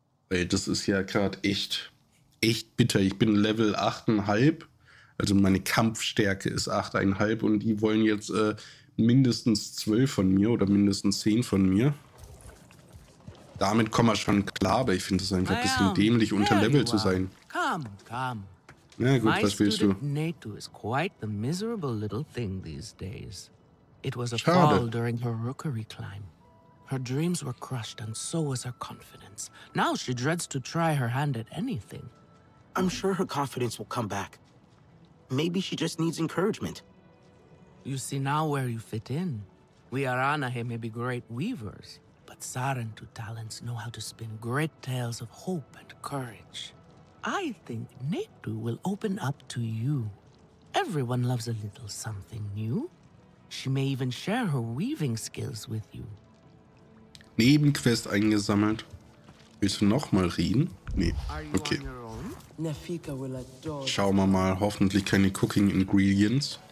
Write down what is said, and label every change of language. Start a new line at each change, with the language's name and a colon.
German: Weil das ist ja gerade echt, echt bitter. Ich bin Level 8,5. Also meine Kampfstärke ist 8,5 und die wollen jetzt mindestens 12 von mir oder mindestens 10 von mir. Damit kommen wir schon klar, aber ich finde es einfach ein bisschen dämlich, unter Level zu sein. Komm. Na ja, gut, was willst du?
English: Natu is quite the miserable little thing these days. It was a fall during her rookery climb. Her dreams were crushed and so was her confidence. Now she dreads to try her hand at anything. I'm sure her confidence will come back. Maybe she just needs encouragement. You see now where you fit in. We Aranahe may be great weavers, but Sarentu talents know how to spin great tales of hope and courage. I think Netu will open up to you. Everyone loves a little something new. She may even share her weaving skills with you.
German: Nebenquest eingesammelt. Willst du nochmal reden? Nee, okay.
English: Nafika will adore.
German: Schauen wir mal, hoffentlich keine Cooking Ingredients.